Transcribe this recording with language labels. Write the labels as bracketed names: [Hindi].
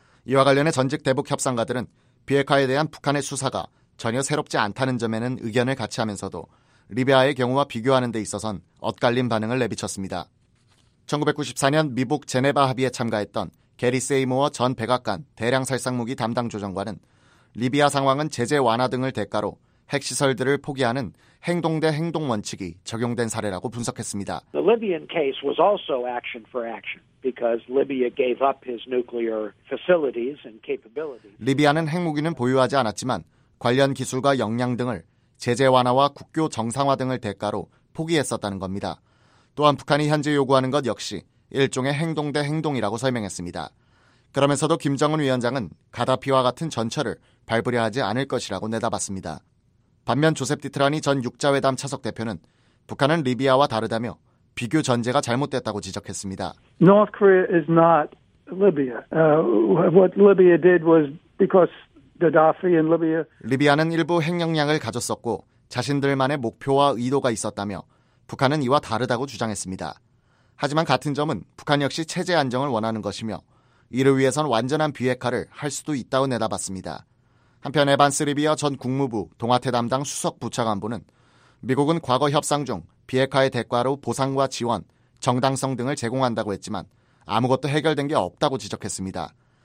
[Korean] 이와 관련해 전직 대북 협상가들은 비핵화에 대한 북한의 수사가 전혀 새롭지 않다는 점에는 의견을 같이 하면서도 리비아의 경우와 비교하는 데 있어선 엇갈린 반응을 내비쳤습니다. 1994년 미북 제네바 합의에 참가했던 게리 세이모어 전 백악관 대량살상무기 담당 조정관은 리비아 상황은 제재 완화 등을 대가로 핵시설들을 포기하는 행동 대 행동 원칙이 적용된 사례라고 분석했습니다. [English] The Libyan case was also action for action because Libya gave up his nuclear facilities and capabilities. [Korean] 리비아는 핵무기는 보유하지 않았지만 관련 기술과 역량 등을 제재 완화와 국교 정상화 등을 대가로 포기했었다는 겁니다. 또한 북한이 현재 요구하는 것 역시 일종의 행동 대 행동이라고 설명했습니다. 그러면서도 김정은 위원장은 가다피와 같은 전철을 밟으려 하지 않을 것이라고 내다봤습니다. 반면 조셉 디트라니 전 6자회담 차석 대표는 북한은 리비아와 다르다며 비교 전제가 잘못됐다고 지적했습니다. [English] North Korea is not Libya. What Libya did was because Gaddafi and Libya. [Korean] 리비아는 일부 핵 역량을 가졌었고 자신들만의 목표와 의도가 있었다며 북한은 이와 다르다고 주장했습니다. 하지만 같은 점은 북한 역시 체제 안정을 원하는 것이며 이를 위해선 완전한 비핵화를 할 수도 있다고 내다봤습니다. 한편 에반스 리비아 전 국무부 동아태 담당 수석 부차관보는 미국은 과거 협상 중 비핵화의 대가로 보상과 지원, 정당성 등을 제공한다고 했지만 아무것도 해결된 게 없다고 지적했습니다.